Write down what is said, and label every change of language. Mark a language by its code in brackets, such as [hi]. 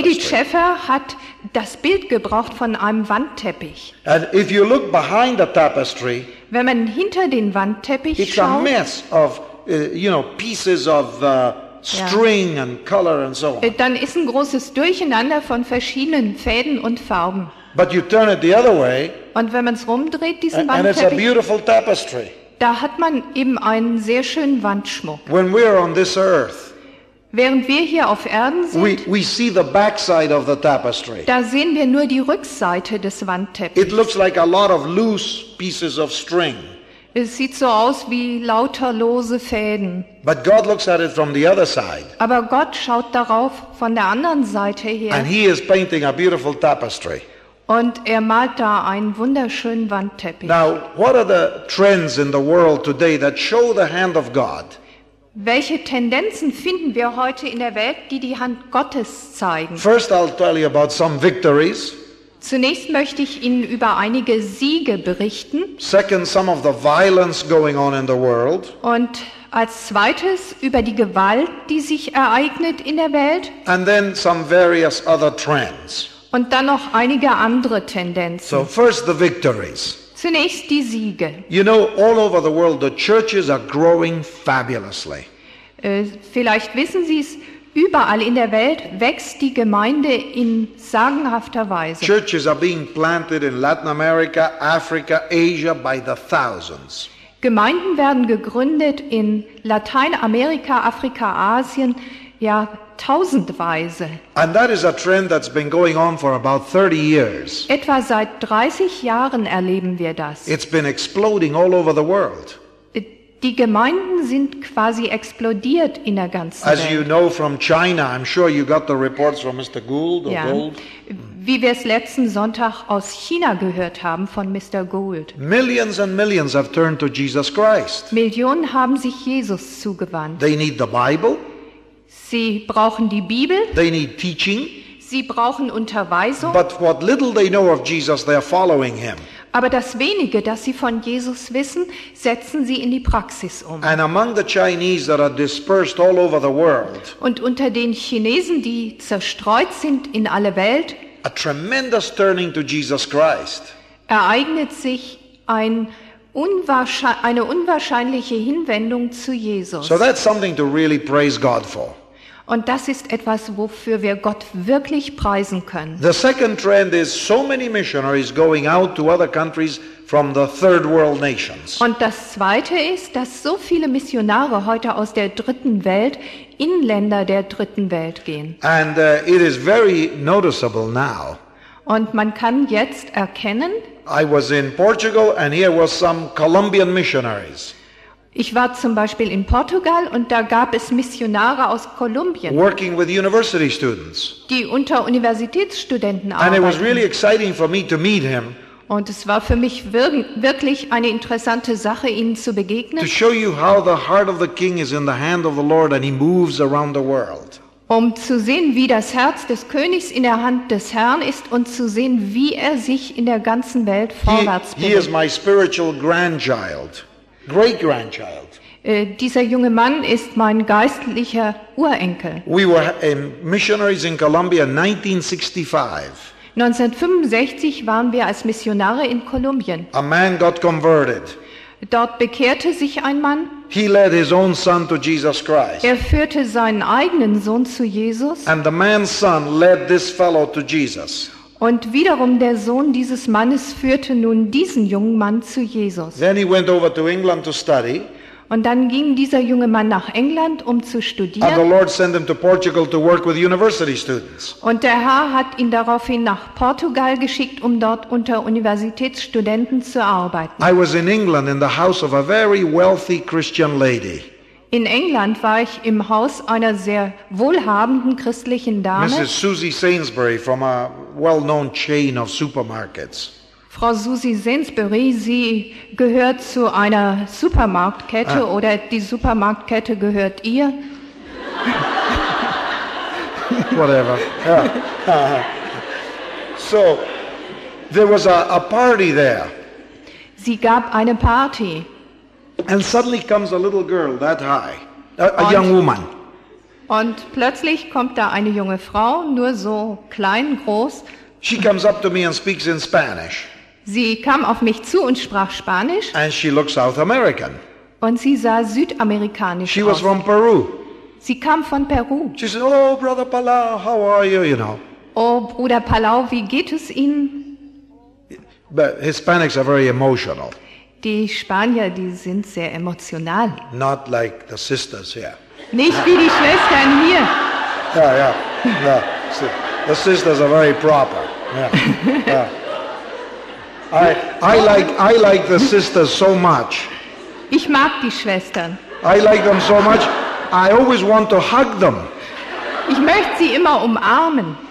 [de] Edith Schaefer hat das Bild gebraucht von einem Wandteppich. [en] And if you look behind the tapestry, [de] wenn man hinter den Wandteppich [en] it's [de] schaut, [en] it's a mess of, you know, pieces of string, ja, and color and so on. [de] Dann ist ein großes Durcheinander von verschiedenen Fäden und Farben. [en] But you turn it the other way, [de] und wenn man es rumdreht, diesen Wandteppich, [en] and it's a beautiful tapestry. [de] Da hat man eben einen sehr schönen Wandschmuck. [en] When we are on this earth, [de] während wir hier auf Erden sind, [en] we see the backside of the tapestry. [de] Da sehen wir nur die Rückseite des Wandteppichs. [en] It looks like a lot of loose pieces of string. [de] Es sieht so aus wie lauter lose Fäden. [en] But God looks at it from the other side. [de] Aber Gott schaut darauf von der anderen Seite her. [en] And he is painting a beautiful tapestry. [de] Und er malt da einen wunderschönen Wandteppich. [en] Now, what are the trends in the world today that show the hand of God? [de] Welche Tendenzen finden wir heute in der Welt, die die Hand Gottes zeigen? [en] First I'll tell you about some victories. [de] Zunächst möchte ich Ihnen über einige Siege berichten. [en] Second, some of the violence going on in the world. [de] Und als zweites über die Gewalt, die sich ereignet in der Welt. [en] And then some various other trends. [de] Und dann noch einige andere Tendenzen. [en] So first the victories. [de] Zunächst die Siege. [en] You know, all over the world, the churches are growing fabulously. [de] Vielleicht wissen Sie es, überall in der Welt wächst die Gemeinde in sagenhafter Weise. [en] Churches are being planted in Latin America, Africa, Asia by the thousands. [de] Gemeinden werden gegründet in Lateinamerika, Afrika, Asien, ja, tausendweise. [en] And that is a trend that's been going on for about 30 years. [de] Etwa seit 30 Jahren erleben wir das. [en] It's been exploding all over the world. [de] Die Gemeinden sind quasi explodiert in der ganzen Welt. [en] As you know from China, I'm sure you got the reports from Mr. Gould. Or [de] ja, Gold. Wie wir es letzten Sonntag aus China gehört haben von Mr. Gould. [en] Millions and millions have turned to Jesus Christ. [de] Millionen haben sich Jesus zugewandt. [en] They need the Bible. [de] Sie brauchen die Bibel. [en] They need teaching. [de] Sie brauchen Unterweisung. [en] But what little they know of Jesus, they are following him. [de] Aber das Wenige, das sie von Jesus wissen, setzen sie in die Praxis um. [en] And among the Chinese that are dispersed all over the world, [de] und unter den Chinesen, die zerstreut sind in alle Welt, [en] a tremendous turning to Jesus Christ. [de] Ereignet sich ein eine unwahrscheinliche Hinwendung zu Jesus. [en] So that's something to really praise God for. [de] Und das ist etwas, wofür wir Gott wirklich preisen können. [en] The second trend is so many missionaries going out to other countries from the third world nations. [de] Und das zweite ist, dass so viele Missionare heute aus der dritten Welt in Länder der dritten Welt gehen. [en] And it is very noticeable now. [de] Und man kann jetzt erkennen, [en] I was in Portugal and here was some Colombian missionaries. [de] Ich war zum Beispiel in Portugal und da gab es Missionare aus Kolumbien. [en] Working with university students. [de] Die unter Universitätsstudenten arbeiten. [en] And it was really exciting for me to meet him. [de] Und es war für mich wirklich eine interessante Sache, ihnen zu begegnen. [en] To show you how the heart of the king is in the hand of the Lord and he moves around the world. [de] Um zu sehen, wie das Herz des Königs in der Hand des Herrn ist und zu sehen, wie er sich in der ganzen Welt vorwärts bewegt. [en] He is my spiritual grandchild. Great-grandchild. [de] Dieser junge Mann ist mein geistlicher Urenkel. [en] We were missionaries in Colombia in 1965. [de] 1965 waren wir als Missionare in Kolumbien. [en] A man got converted. [de] Dort bekehrte sich ein Mann. [en] He led his own son to Jesus Christ. [de] Er führte seinen eigenen Sohn zu Jesus. [en] And the man's son led this fellow to Jesus. [de] Und wiederum der Sohn dieses Mannes führte nun diesen jungen Mann zu Jesus. [en] Then he went over to England to study. [de] Und dann ging dieser junge Mann nach England, um zu studieren. [en] And the Lord sent him to Portugal to work with university students. [de] Und der Herr hat ihn daraufhin nach Portugal geschickt, um dort unter Universitätsstudenten zu arbeiten. [en] I was in England in the house of a very wealthy Christian lady. [de] In England war ich im Haus einer sehr wohlhabenden christlichen Dame. [en] Mrs. Susie Sainsbury from a well-known chain of supermarkets. [de] Frau Susie Sainsbury, sie gehört zu einer Supermarktkette oder die Supermarktkette gehört ihr? [en] Whatever. So, there was a party there. [de] Sie gab eine Party. [en] And suddenly comes a little girl that high, a young woman. [de] Und plötzlich kommt da eine junge Frau, nur so klein, groß. [en] She comes up to me and speaks in Spanish. [de] Sie kam auf mich zu und sprach Spanisch. [en] And she looks South American. [de] Und sie sah südamerikanisch [en] she [de] aus. [en] She was from Peru. [de] Sie kam von Peru. [en] She said, "Oh, Brother Palau, how are you?" You know. [de] Oh, Bruder Palau, wie geht es Ihnen? [en] But Hispanics are very emotional. [de] Die Spanier, die sind sehr emotional. [en] Not like the sisters here. [de] Nicht wie die Schwestern hier. [en] Yeah, yeah, yeah. The sisters are very proper. Yeah, yeah. I like the sisters so much. [de] Ich mag die Schwestern. [en] I like them so much. I always want to hug them. [de] Ich möchte sie immer umarmen.